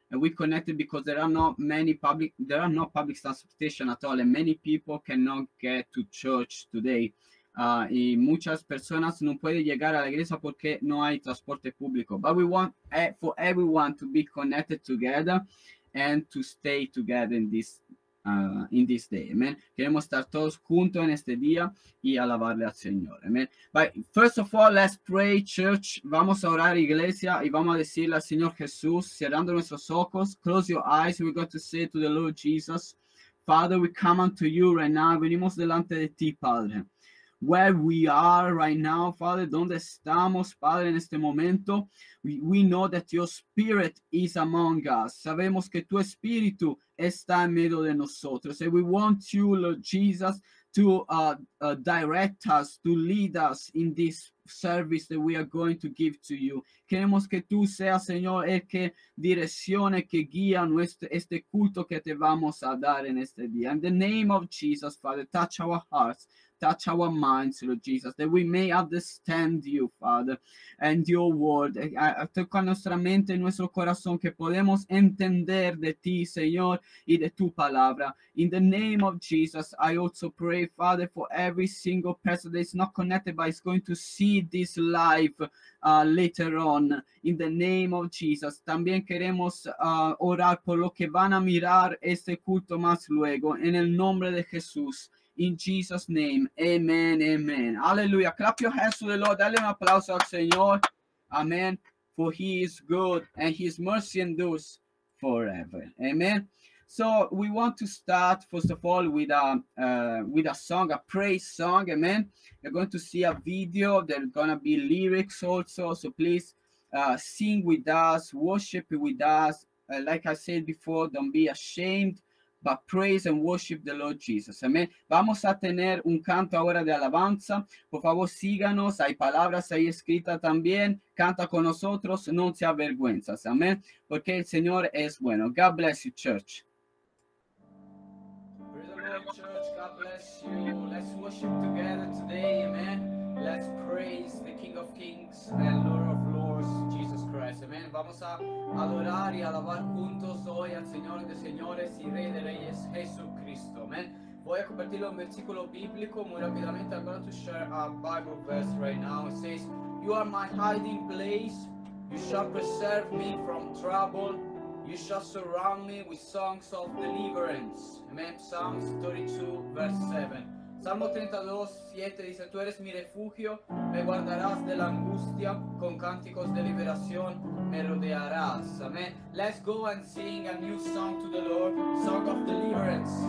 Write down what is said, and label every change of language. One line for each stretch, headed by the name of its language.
English: And we connected because there are not public transportation at all. And many people cannot get to church today.
Spanish: Y muchas personas no pueden llegar a la iglesia porque no hay transporte público.
English: But we want for everyone to be connected together and to stay together in this day. Amen.
Spanish: Queremos estar todos juntos en este día y alabarle al Señor.
English: Amen. But first of all, let's pray, church.
Spanish: Vamos a orar, iglesia, y vamos a decirle al Señor Jesús, cerrando nuestros ojos,
English: close your eyes, we're going to say to the Lord Jesus, Father, we come unto you right now,
Spanish: venimos delante de ti, Padre.
English: Where we are right now, Father,
Spanish: donde estamos, Padre, en este momento,
English: we know that your spirit is among us.
Spanish: Sabemos que tu espíritu está en medio de nosotros.
English: And we want you, Lord Jesus, to direct us, to lead us in this service that we are going to give to you.
Spanish: Queremos que tú seas, Señor, el que direccione, que guía nuestro este culto que te vamos a dar en este día.
English: In the name of Jesus, Father, touch our hearts. Touch our minds, Lord Jesus, that we may understand you, Father, and your word.
Spanish: Toca nuestra mente, nuestro corazón, que podemos entender de ti, Señor, y de tu palabra.
English: In the name of Jesus, I also pray, Father, for every single person that is not connected, but is going to see this life later on. In the name of Jesus.
Spanish: También queremos orar por lo que van a mirar este culto más luego. En el nombre de Jesús.
English: In Jesus' name, amen, amen. Hallelujah. Clap your hands to the Lord.
Spanish: Dale un aplauso al Señor.
English: Amen. For he is good and his mercy endures forever. Amen. So we want to start, first of all, with a song, a praise song. Amen. You're going to see a video. There are going to be lyrics also. So please sing with us, worship with us. Like I said before, don't be ashamed. But praise and worship the Lord Jesus. Amen.
Spanish: Vamos a tener un canto ahora de alabanza. Por favor, síganos. Hay palabras ahí escritas también. Canta con nosotros. No se avergüenzas. Amen. Porque el Señor es bueno.
English: God bless you, church. Praise the Lord, church. God bless you. Let's worship together today. Amen. Let's praise the King of Kings and Lord of Lords, Jesus Christ. Amen.
Spanish: Vamos a adorar y alabar juntos hoy al Señor de señores y Rey de Reyes, Jesucristo. Amen. Voy a convertirlo en versículo bíblico muy rápidamente.
English: I'm going to share a Bible verse right now. It says, you are my hiding place. You shall preserve me from trouble. You shall surround me with songs of deliverance. Amen. Psalms 32, verse 7.
Spanish: Salmo 32:7 dice, tú eres mi refugio, me guardarás de la angustia, con cánticos de liberación me rodearás.
English: Amen. Let's go and sing a new song to the Lord, song of deliverance.